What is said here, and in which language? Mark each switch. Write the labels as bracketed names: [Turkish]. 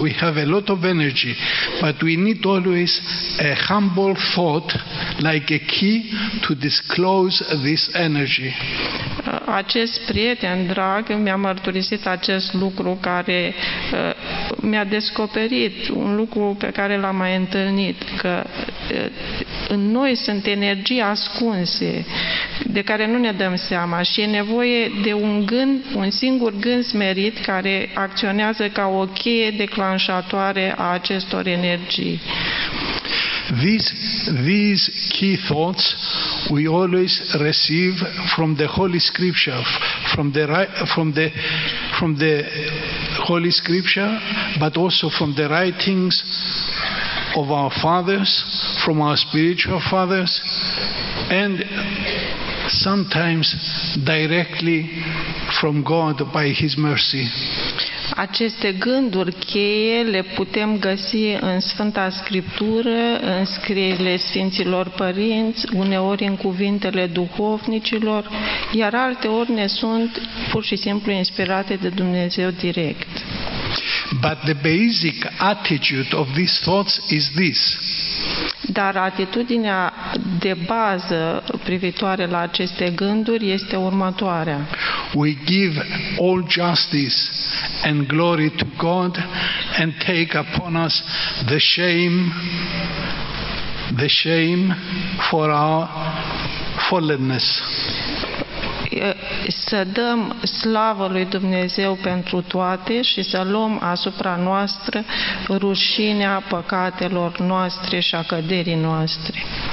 [English] We have a lot of energy, but we need always a humble thought like a key to disclose this energy. [Romanian] Acest prieten drag mi-a mărturisit acest lucru care mi-a descoperit un lucru pe care l-am mai întâlnit, că în noi sunt energii ascunse de care nu ne dăm seama și e nevoie de un gând, un singur gând smerit care acționează ca o cheie declanșatoare a acestor energii. [English] These key thoughts we always receive from the Holy Scripture, from the Holy Scripture, but also from the writings of our fathers, from our spiritual fathers, and sometimes directly from God by His mercy. [Romanian] Aceste gânduri cheie le putem găsi în Sfânta Scriptură, în scrierile Sfinților Părinți, uneori în cuvintele duhovnicilor, iar alteori ne sunt pur și simplu inspirate de Dumnezeu direct. [English] But the basic attitude of these thoughts is this. [Romanian] Dar atitudinea de bază privitoare la aceste gânduri este următoarea. [English] We give all justice and glory to God and take upon us the shame for our fallenness. [Romanian] să dăm slavă lui Dumnezeu pentru toate și să luăm asupra noastră rușinea păcatelor noastre și a căderii noastre.